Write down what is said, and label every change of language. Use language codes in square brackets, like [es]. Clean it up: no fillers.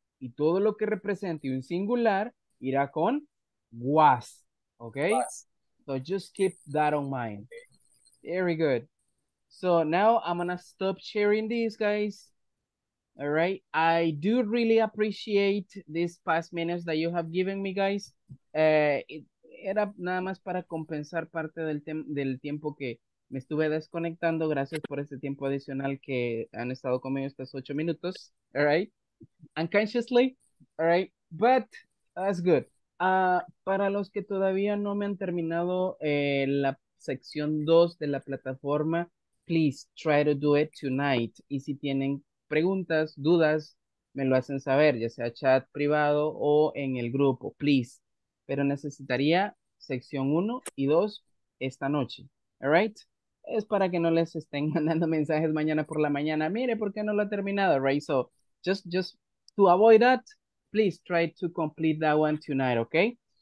[es] Y todo lo que represente un singular irá con was. Okay? [en] Was. So just keep that on mind. Very good. So now I'm going to stop sharing these, guys. All right? I do really appreciate these past minutes that you have given me, guys. [es] Era nada más para compensar parte del tiempo que... Me estuve desconectando, gracias por este tiempo adicional que han estado conmigo estos 8 minutos, all right? [en] Unconsciously, all right? But that's good. [es] Para los que todavía no me han terminado la sección 2 de la plataforma, [en] please try to do it tonight. [es] Y si tienen preguntas, dudas, me lo hacen saber, ya sea chat privado o en el grupo, please. Pero necesitaría sección 1 y 2 esta noche, all right? Es para que no les estén mandando mensajes mañana por la mañana. Mire, ¿por qué no lo ha terminado? Right? [en] So, just to avoid that, please try to complete that one tonight, okay?